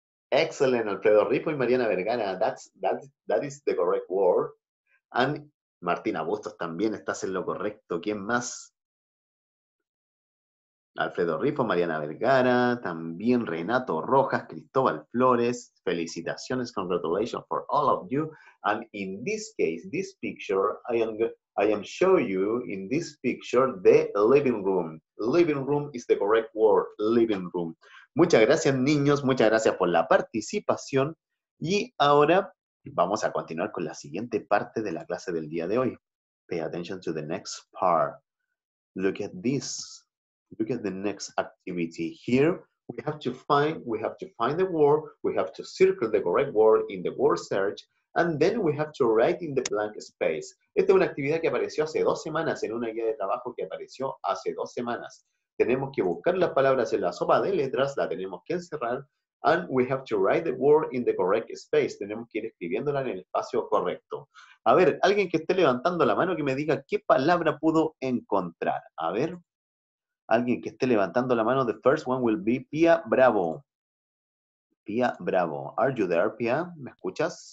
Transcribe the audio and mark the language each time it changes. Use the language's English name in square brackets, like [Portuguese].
[English] Excellent, Alfredo Ripo y Mariana Vergara. That is the correct word. [Spanish] And Martina Bustos también, estás en lo correcto. ¿Quién más? Alfredo Rifo, Mariana Vergara, también Renato Rojas, Cristóbal Flores. Felicitaciones, [English] congratulations for all of you. And in this case, this picture, I am showing you in this picture the living room. Living room is the correct word, living room. [Spanish] Muchas gracias, niños. Muchas gracias por la participación. Y ahora vamos a continuar con la siguiente parte de la clase del día de hoy. [English] Pay attention to the next part. Look at this. Look at the next activity here. We have to find the word. We have to circle the correct word in the word search. And then we have to write in the blank space. [Spanish] Esta es una actividad que apareció hace dos semanas en una guía de trabajo que apareció hace dos semanas. Tenemos que buscar las palabras en la sopa de letras. La tenemos que encerrar. [English] And we have to write the word in the correct space. [Spanish] Tenemos que ir escribiéndola en el espacio correcto. A ver, alguien que esté levantando la mano que me diga qué palabra pudo encontrar. A ver. Alguien que esté levantando la mano, [English] the first one will be [Spanish] Pia Bravo. Pia Bravo. [English] Are you there, Pia? [Spanish] ¿Me escuchas?